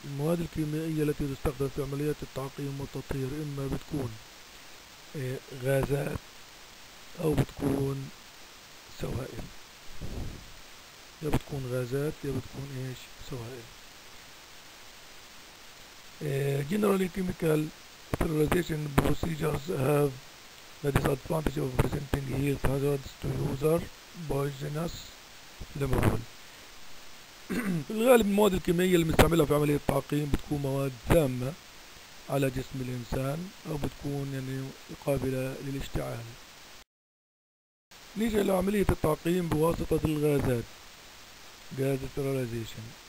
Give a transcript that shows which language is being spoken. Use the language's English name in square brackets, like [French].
[Arabic] المواد الكيميائية التي تستخدم في عمليات التعقيم والتطهير إما بتكون غازات أو بتكون سوائل، يا بتكون غازات يا بتكون ايش؟ سوائل. [English] Generally chemical sterilization procedures have the disadvantage of presenting health hazards to user poisonous flammable. [Arabic] الغالب المواد الكيميائية اللي بنستعملها في عملية التعقيم بتكون مواد سامة على جسم الإنسان أو بتكون يعني قابلة للاشتعال. نيجي لعملية التعقيم بواسطة الغازات، غاز ستيرلايزيشن.